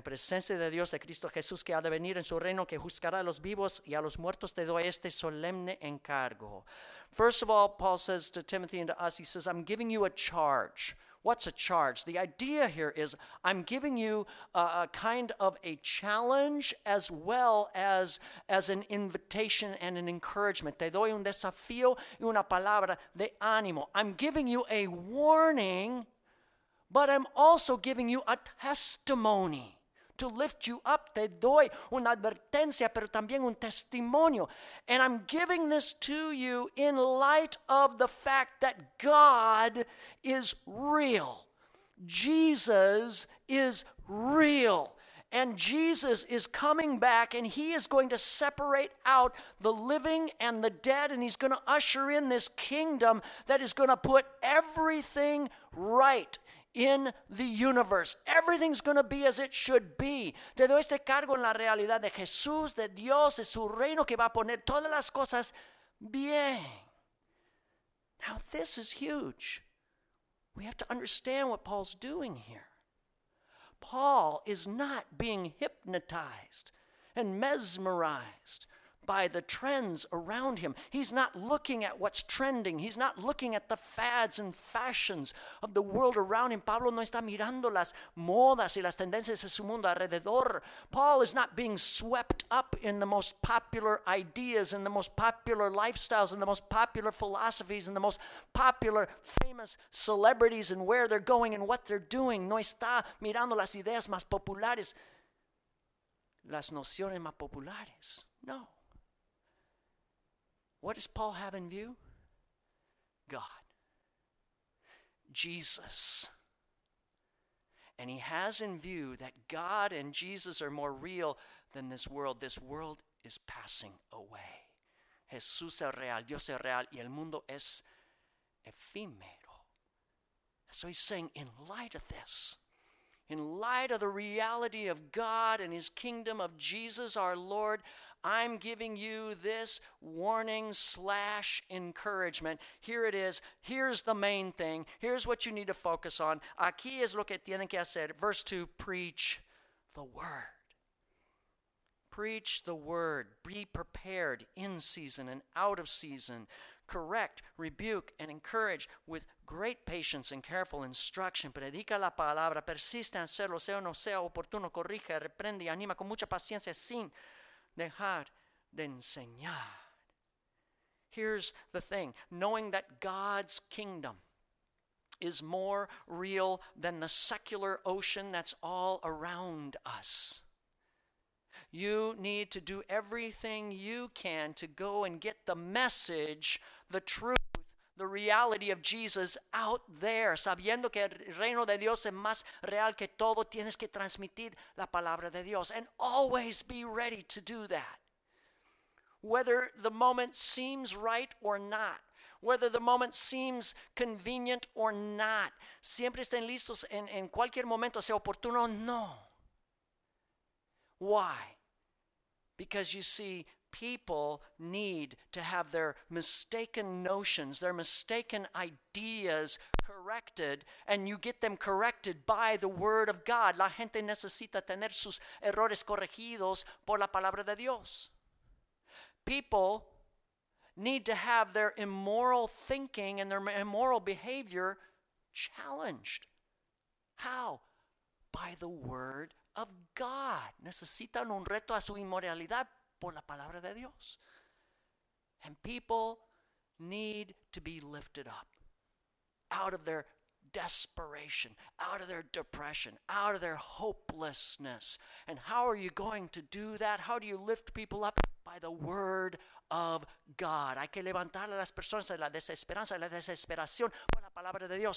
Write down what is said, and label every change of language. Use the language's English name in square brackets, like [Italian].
[Spanish] En presencia de Dios, de Cristo Jesús, que ha de venir en su reino, que juzgará a los vivos y a los muertos, te doy este solemne encargo. [English] First of all, Paul says to Timothy and to us, he says, I'm giving you a charge. What's a charge? The idea here is I'm giving you a kind of a challenge as well as an invitation and an encouragement. [Spanish] Te doy un desafío y una palabra de ánimo. [English] I'm giving you a warning, but I'm also giving you a testimony to lift you up. [Spanish] Te doy una advertencia, pero también un testimonio. [English] And I'm giving this to you in light of the fact that God is real. Jesus is real. And Jesus is coming back, and he is going to separate out the living and the dead, and he's going to usher in this kingdom that is going to put everything right in the universe. Everything's going to be as it should be. [Spanish] Te doy este cargo en la realidad de Jesús, de Dios, de su reino que va a poner todas las cosas bien. [English] Now, this is huge. We have to understand what Paul's doing here. Paul is not being hypnotized and mesmerized by the trends around him. He's not looking at what's trending. He's not looking at the fads and fashions of the world around him. [Spanish] Pablo no está mirando las modas y las tendencias de su mundo alrededor. [English] Paul is not being swept up in the most popular ideas, in the most popular lifestyles, in the most popular philosophies, in the most popular famous celebrities and where they're going and what they're doing. [Spanish] No está mirando las ideas más populares, las nociones más populares. [English] No. What does Paul have in view? God. Jesus. And he has in view that God and Jesus are more real than this world. This world is passing away. [Spanish] Jesús es real, Dios es real, y el mundo es efímero. [English] So he's saying, in light of this, in light of the reality of God and his kingdom of Jesus our Lord, I'm giving you this warning / encouragement. Here it is. Here's the main thing. Here's what you need to focus on. [Spanish] Aquí es lo que tienen que hacer. [English] Verse 2, preach the word. Preach the word. Be prepared in season and out of season. Correct, rebuke, and encourage with great patience and careful instruction. [Spanish] Predica la palabra. Persiste en hacerlo, sea o no sea oportuno. Corrige, reprende, anima con mucha paciencia sin dejar de enseñar. Here's the thing. [English] Knowing that God's kingdom is more real than the secular ocean that's all around us, you need to do everything you can to go and get the message, the truth, the reality of Jesus out there. [Spanish] Sabiendo que el reino de Dios es más real que todo, tienes que transmitir la palabra de Dios. [English] And always be ready to do that. Whether the moment seems right or not, whether the moment seems convenient or not, [Spanish] siempre estén listos en cualquier momento, sea oportuno o no. [English] Why? Because you see, people need to have their mistaken notions, their mistaken ideas corrected, and you get them corrected by the word of God. [Spanish] La gente necesita tener sus errores corregidos por la palabra de Dios. [English] People need to have their immoral thinking and their immoral behavior challenged. How? By the word of God. [Spanish] Necesitan un reto a su inmoralidad por la palabra de Dios. [English] And people need to be lifted up out of their desperation, out of their depression, out of their hopelessness. And how are you going to do that? How do you lift people up? By the word of God. [Spanish] Hay que levantar a las personas de la desesperanza, de la desesperación por la palabra de Dios.